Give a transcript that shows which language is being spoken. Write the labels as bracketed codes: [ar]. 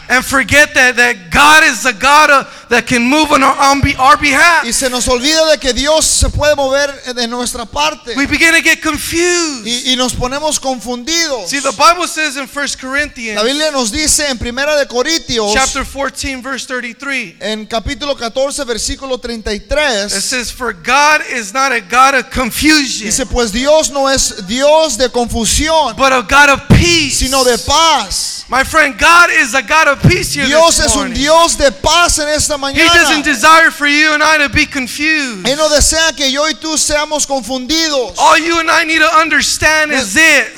[en] and forget that God is the God that can move on our behalf. [es] Y se nos olvida de que Dios se puede mover de nuestra parte. [en] We begin to get confused. [es] Y nos ponemos confundidos. [en] See, the Bible says in 1 Corinthians, [es] la Biblia nos dice en Primera de Corintios, [en] chapter 14, verse 33, [es] en capítulo 14, versículo 33, [en] it says, "For God is not a God of confusion." [es] Dice, pues Dios no es Dios de confusión. [en] But a God of peace, [es] sino de paz. [en] My friend, God is a God of peace here. [es] Dios [en] this [es] es un Dios de paz en esta mañana. [en] He doesn't desire for you and I to be confused. [es] Él no desea que yo y tú seamos confundidos. [en] All you and I need to understand is this.